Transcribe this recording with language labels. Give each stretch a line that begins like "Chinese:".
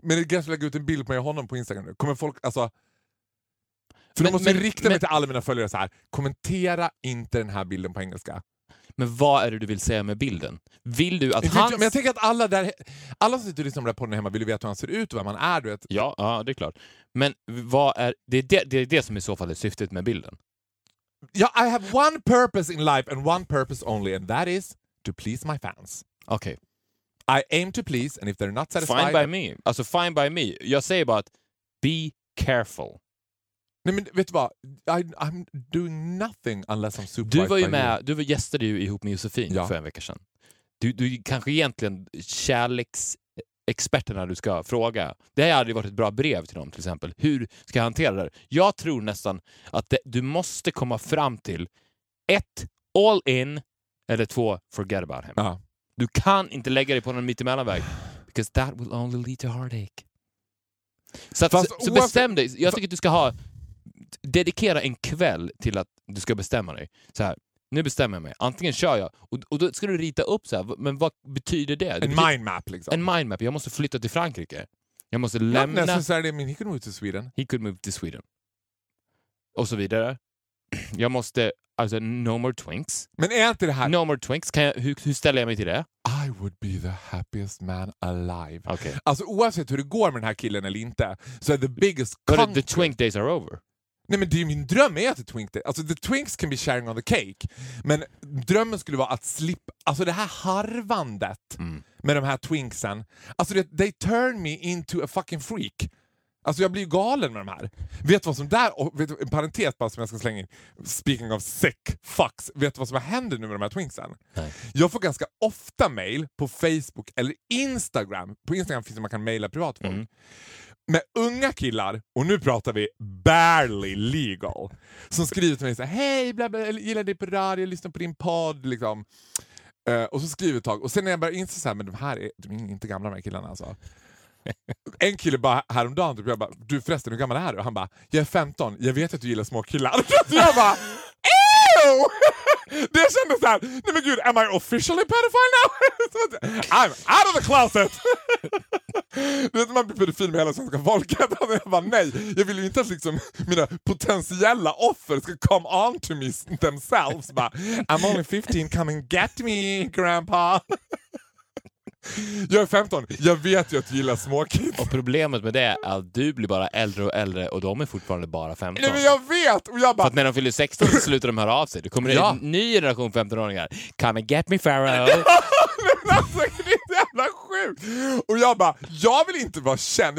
Swedish: Men är det gränslöst att lägga ut en bild på mig och honom på Instagram nu? Kommer folk, alltså... För men, då måste men, jag rikta men, mig till alla mina följare så här. Kommentera inte den här bilden på engelska. Men vad är det du vill säga med bilden? Vill du att han... Men jag tänker att alla där... Alla som sitter och lyssnar på den här hemma vill ju veta hur han ser ut och vem han är, du vet. Ja, ja, det är klart. Men vad är... det är det som i så fall är syftet med bilden.
English: Ja, yeah, I have one purpose in life and one purpose only, and that is to please my fans. Okay. I aim to please, and if they're not satisfied... Fine by me.
Swedish: Alltså,
English: fine by me.
Swedish: Jag säger bara att
English: be careful.
Swedish: Nej, men vet du vad?
English: I'm doing nothing unless I'm supervised.
Swedish: Du var ju med, du var gästade ju ihop med Josefin för en vecka sedan. Du kanske egentligen kärleksexperterna du ska fråga. Det här hade ju varit ett bra brev till dem till exempel. Hur ska jag hantera det? Jag tror nästan att du måste komma fram till ett,
English: all in,
Swedish: eller två,
English: forget about him.
Swedish: Uh-huh. Du kan inte lägga dig på någon mitt emellanväg.
English: Because that will only lead to heartache.
Swedish: Så bestäm dig. Jag tycker att du ska ha... Dedikera en kväll till att du ska bestämma dig. Så här, nu bestämmer jag mig. Antingen kör jag. Och då ska du rita upp så här. Men vad betyder det? En mindmap liksom. En mindmap. Jag måste flytta till Frankrike. Jag måste lämna...
English: Not necessarily. I mean, he could move to Sweden. He could move to Sweden.
Swedish: Och så vidare. Jag måste... Alltså,
English: no more twinks.
Swedish: Men är inte det här...
English: No more twinks.
Swedish: Kan jag, hur ställer jag mig till det?
English: I would be the happiest man alive. Okay.
Swedish: Alltså, oavsett hur det går med den här killen eller inte. Så
English: the biggest... But the twink days are over.
Swedish: Nej, men det är min dröm är att twink det. Alltså,
English: the twinks can be sharing on the cake.
Swedish: Men drömmen skulle vara att slippa... Alltså, det här harvandet med de här twinksen. Alltså,
English: they turn me into a fucking freak.
Swedish: Alltså, jag blir galen med de här. Vet du vad som där... Och, vet du, en parentes bara som jag ska slänga in.
English: Speaking of sick fucks.
Swedish: Vet du vad som händer nu med de här twinksen? Nej. Jag får ganska ofta mail på Facebook eller Instagram. På Instagram finns det man kan maila privat folk. Mm. Med unga killar, och nu pratar vi barely legal, som skriver till mig så här, hej, gillar dig på radio, lyssnar på din podd, liksom. Och så skriver ett tag. Och sen när jag börjar inse så här, men de är inte gamla de här killarna, alltså. En kille bara häromdagen, typ, jag bara, du förresten, hur gammal är du? Och han bara, jag är 15, jag vet att du gillar små killar. Och jag bara, ew! Det kändes så här, nej men gud,
English: am I officially pedophile now? I'm out of the closet!
Swedish: Du vet, man blir pedofil med hela svenska folket. Och jag bara, nej, jag vill ju inte att liksom, mina potentiella offer ska
English: come on to me themselves.
Swedish: Bara,
English: I'm only 15, come and get me, grandpa.
Swedish: Jag är 15, jag vet ju att du gillar små kids. Och problemet med det är att du blir bara äldre och äldre och de är fortfarande bara 15. Nej, men jag vet! Och jag bara... För att när de fyller 16 så slutar de höra av sig. Då kommer en ny generation 15-åringar.
English: Come and get me, Pharaoh!
Swedish: Alltså, det är jävla sjukt. Och jag bara, jag vill inte vara känd.